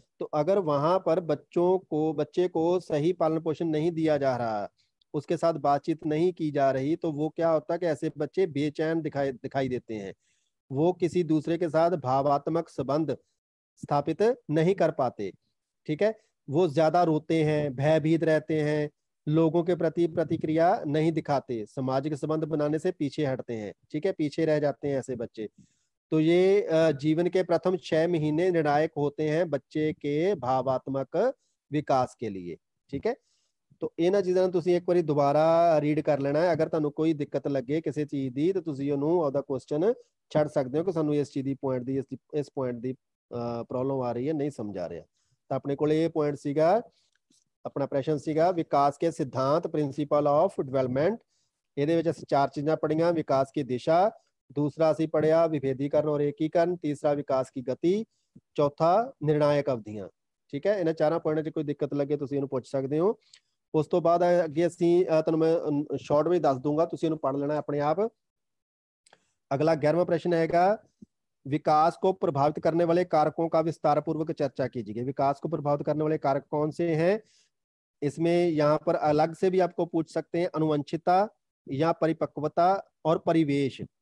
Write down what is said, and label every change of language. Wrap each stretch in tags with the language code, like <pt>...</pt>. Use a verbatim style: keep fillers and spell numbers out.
<hi>तो अगर वहां पर बच्चों को बच्चे को सही पालन पोषण नहीं दिया जा रहा, उसके साथ बातचीत नहीं की जा रही, तो वो क्या होता है कि ऐसे बच्चे बेचैन दिखाई दिखाई देते हैं, वो किसी दूसरे के साथ भावात्मक संबंध स्थापित नहीं कर पाते, ठीक है, वो ज्यादा रोते हैं, भयभीत रहते हैं, लोगों के प्रति प्रतिक्रिया नहीं दिखाते, सामाजिक संबंध बनाने से पीछे हटते हैं, ठीक है, पीछे रह जाते हैं ऐसे बच्चे। तो ये अ, जीवन के प्रथम छह महीने निर्णायक होते हैं बच्चे के भावात्मक विकास के लिए, ठीक है।</hi> <pa>तो ਇਹਨਾਂ ਚੀਜ਼ਾਂ ਨੂੰ ਤੁਸੀਂ ਇੱਕ ਵਾਰੀ ਦੁਬਾਰਾ ਰੀਡ ਕਰ ਲੈਣਾ ਹੈ। ਅਗਰ ਤੁਹਾਨੂੰ ਕੋਈ ਦਿੱਕਤ ਲੱਗੇ ਕਿਸੇ ਚੀਜ਼ ਦੀ ਤਾਂ ਤੁਸੀਂ ਉਹਨੂੰ ਉਹਦਾ ਕੁਐਸਚਨ ਛੱਡ ਸਕਦੇ ਹੋ ਕਿ ਸਾਨੂੰ ਇਸ ਚੀਜ਼ ਦੀ ਪੁਆਇੰਟ ਦੀ ਇਸ ਦੀ ਇਸ ਪੁਆਇੰਟ ਦੀ ਪ੍ਰੋਬਲਮ ਆ ਰਹੀ ਹੈ, ਨਹੀਂ ਸਮਝ ਆ ਰਿਹਾ। ਤਾਂ ਆਪਣੇ ਕੋਲ ਇਹ ਪੁਆਇੰਟ ਸੀਗਾ, ਆਪਣਾ ਪ੍ਰਸ਼ਨ ਸੀਗਾ ਵਿਕਾਸ ਕੇ ਸਿਧਾਂਤ ਪ੍ਰਿੰਸੀਪਲ ਆਫ ਡਿਵੈਲਪਮੈਂਟ। ਇਹਦੇ ਵਿੱਚ ਅਸੀਂ ਚਾਰ ਚੀਜ਼ਾਂ ਪੜ੍ਹੀਆਂ, ਵਿਕਾਸ ਕੀ ਦਿਸ਼ਾ, ਦੂਸਰਾ ਅਸੀਂ ਪੜ੍ਹਿਆ ਵਿਭੇਦੀਕਰਨ ਔਰ ਏਕੀਕਰਨ, ਤੀਸਰਾ ਵਿਕਾਸ ਕੀ ਗਤੀ, ਚੌਥਾ ਨਿਰਣਾਇਕ ਅਵਧੀਆਂ, ਠੀਕ ਹੈ। ਇਹਨਾਂ ਚਾਰਾਂ ਪੁਆਇੰਟਾਂ 'ਚ ਕੋਈ ਦਿੱਕਤ ਲੱਗੇ ਤੁਸੀਂ ਇਹਨੂੰ ਪੁੱਛ ਸਕਦੇ ਹੋ। ਉਸ ਤੋਂ ਬਾਅਦ ਅ- ਅੱਗੇ ਅਸੀਂ ਅ, ਤੁਹਾਨੂੰ ਮੈਂ ਸ਼ਾਰਟ ਵਿੱਚ ਦੱਸ ਦੂੰਗਾ, ਤੁਸੀਂ ਇਹਨੂੰ ਪੜ੍ਹ ਲੈਣਾ ਆਪਣੇ ਆਪ।</pa> <hi>अगला ग्यारहवां प्रश्न रहेगा, विकास को प्रभावित करने वाले कारकों का विस्तार पूर्वक चर्चा कीजिए। विकास को प्रभावित करने वाले कारक कौन से हैं? इसमें यहाँ पर अलग से भी आपको पूछ सकते हैं अनुवंशिकता या परिपक्वता और परिवेश।</hi>